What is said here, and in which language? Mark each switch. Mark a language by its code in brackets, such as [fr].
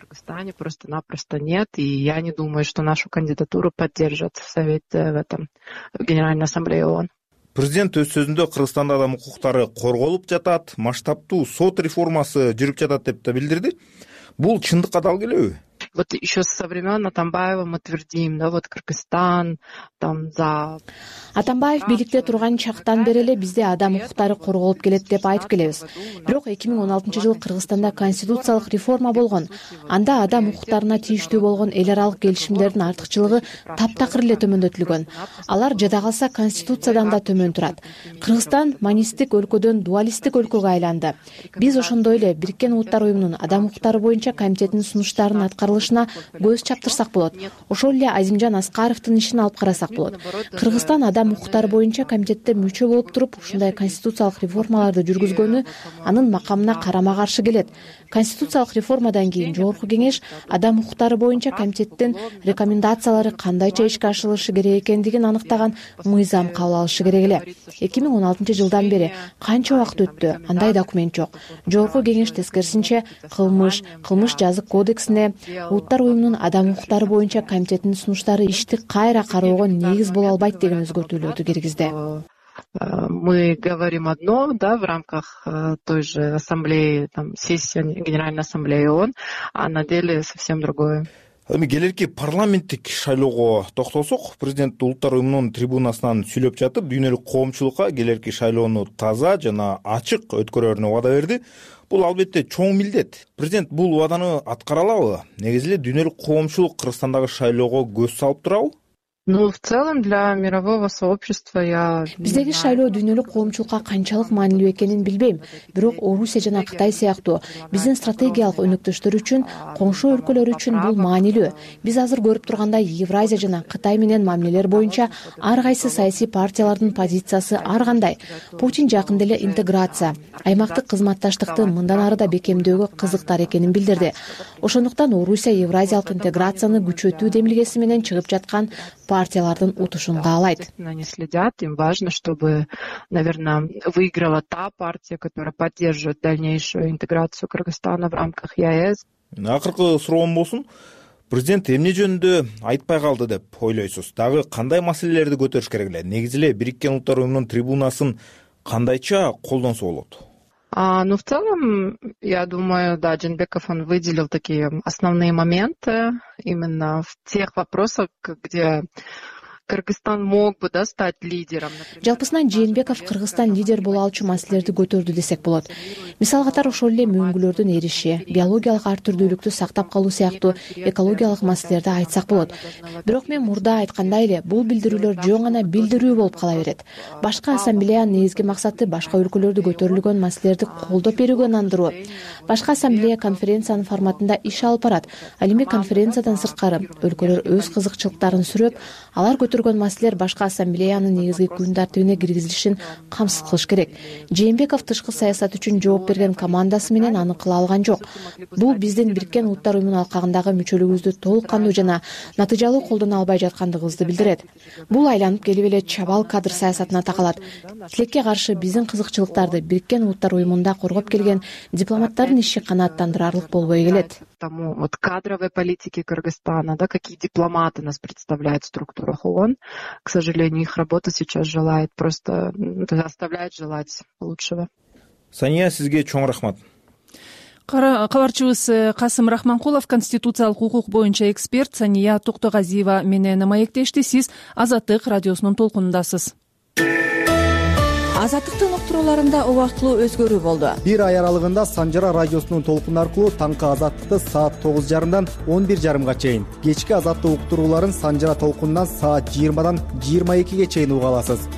[ru] Станет просто-напросто нет, и я не думаю, что нашу кандидатуру поддержат совет в этом в Генеральной Ассамблее ООН. [ky] Президент өз сөзүндө Кыргызстанда адам укуктары корголуп жатат, масштабтуу сот реформасы жүрүп жатат деп да билдирди. Бул чындыкка дал келеби? [ru] Вот еще со времен Атамбаева мы твердим, да, вот Кыргызстан, там, за... [ky] Атамбаев бийликте турган чактан бери эле бизде адам укуктары корголуп келет деп айтып келебиз. Бирок 2016-жылы Кыргызстанда конституциялык реформа болгон. Анда адам укуктарына тийиштүү болгон эл аралык келишимдердин артыкчылыгы таптакыр эле төмөндөтүлгөн. Алар жада калса конституциядан да төмөн турат. Кыргызстан монистик өлкөдөн дуалистик өлкөгө айланды. Биз ошондой эле Бириккен Улуттар Уюмунун адам укуктары боюнча комитетинин сунуштарын аткарылышына көз чаптырсак болот. Ошол эле Азимжан Аскаровдун ишин алып карасак болот. Кыргызстан адам укуктары боюнча комитетте мүчө болуп туруп, ушундай конституциялык реформаларды жүргүзгөнү анын макамына карама каршы келет. Конституциялык реформадан кийин Жогорку Кеңеш адам укуктары боюнча комитеттин рекомендациялары кандайча ишке ашырылышы керек экендигин аныктаган мыйзам кабыл алышы керек эле. 2016-жылдан бери канча убакыт өттү, андай документ жок. Жогорку Кеңеш тескерисинче кылмыш жазык кодексине, Улуттар уюмунун адам укуктары боюнча комитетинин сунуштары ишти кайра кароого негиз боло албайт деген өзгөртүүлөрдү киргизди. [ru] Мы говорим одно, да, в рамках той же ассамблеи, там, сессии Генеральной ассамблеи ООН, а на деле совсем другое. [ky] Эми келерки парламенттик шайлоого токтолсок, президент улуттар уюмунун трибунасынан сүйлөп жатып, дүйнөлүк коомчулукка келерки шайлоону таза жана ачык өткөрөрүнө убада берди. Бул албетте чоң милдет. Президент бул убаданы аткара алабы? Негизи эле дүйнөлүк коомчулук Кыргызстандагы шайлоого көз салып турабы? [ru] Ну, в целом, для мирового сообщества я... [ky] Биздеги шайлоо дүйнөлүк коомчулукка канчалык маанилүү экенин билбейм. Бирок Орусия жана Кытай сыяктуу биздин стратегиялык өнөктөштөр үчүн, коңшу өлкөлөр үчүн бул маанилүү. Биз азыр көрүп тургандай Евразия жана Кытай менен мамилелер боюнча ар кайсы саясий партиялардын позициясы ар кандай. Путин жакында эле интеграция, аймактык кызматташтыкты мындан ары да бекемдөөгө кызыктар экенин билдирди. Ошондуктан Орусия евразиялык интеграцияны күчөтүү демилгеси менен чыгып жаткан партиялардын утушун каалайт. [ru] Они следят, им важно, чтобы, наверное, выиграла та партия, которая поддерживает дальнейшую интеграцию Кыргызстана в рамках ЕС. [ky] Акыркы суроом болсун, президент эмне жөнүндө айтпай калды деп ойлойсуз? Дагы кандай маселелерди көтөрүш керек эле? Негизи эле Бириккен Улуттар Уюмунун трибунасын кандайча колдонсо болот? [ru] Ну, в целом, я думаю, да, Жээнбеков, он выделил такие основные моменты именно в тех вопросах, где Кыргызстан мог бы, да, стать лидером. [ky] Жалпысынан Жээнбеков Кыргызстан лидер боло алчу маселелерди көтөрдү десек болот. Мисал катары ошол эле мүмкүнчүлүктөрдүн эриши, биологиялык ар түрдүүлүктү сактап калуу сыяктуу экологиялык маселелерди айтсак болот. Бирок мен мурда айткандай эле, бул билдирүүлөр жөн гана билдирүү болуп кала берет. Башка ассамблеянын негизги максаты башка өлкөлөрдө көтөрүлгөн маселелерди колдоп берүүгө ынандыруу. Башка ассамблея конференциянын форматында иш алып барат. Ал эми конференциядан сырткары өлкөлөр өз кызыкчылыктарын сүрөп, алар көтөргөн маселелер башка ассамблеянын негизги күн тартибине киргизилишин камсыз кылыш керек. Жээнбеков тышкы саясат үчүн жооп берген командасы менен аны кыла алган жок. Бул биздин Бириккен Улуттар Уюмунун алкагындагы мүчөлүгүбүздү толук кандуу жана натыйжалуу колдоно албай жаткандыгыбызды билдирет. Бул айланып келип эле чабал кадр саясатына такалат. Тилекке каршы биздин кызыкчылыктарды Бириккен Улуттар Уюмунда коргоп келген дипломаттардын иши канааттандырарлык болбой келет. [ru] Тому вот кадровой политики Кыргызстана, да, какие дипломаты нас представляют в структурах ООН. К сожалению, их работа сейчас желает просто оставляет желать лучшего. [ky] Сания, сизге чоң рахмат. Кабарчыбыз Касым Рахманкулов, конституциялык укук боюнча эксперт, Сания Токтогазиева менен маектешти. Сиз Азаттык радиосунун толкунундасыз. Азаттыктын уктурууларында убактылуу өзгөрүү болду. Бир ай аралыгында Санжара радиосунун толкундар аркылуу таңкы азаттыкты саат 9:30 11:30 чейин, кечки азаттык уктурууларын Санжара толкунунан саат 20:00-22:00 чейин уга аласыз.